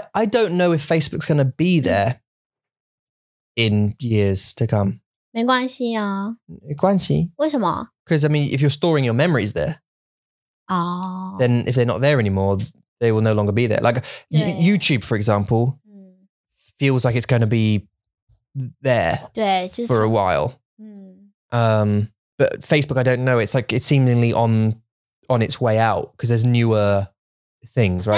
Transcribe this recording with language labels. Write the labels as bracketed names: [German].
[English] I don't know if Facebook's going to be there in years to come. [Chinese] 没关系啊。没关系。为什么? [English] Because, I mean, if you're storing your memories there, then if they're not there anymore, they will no longer be there. Like, YouTube, for example, feels like it's going to be there for a while. But Facebook, I don't know. It's like, it's seemingly on its way out because there's newer things, right?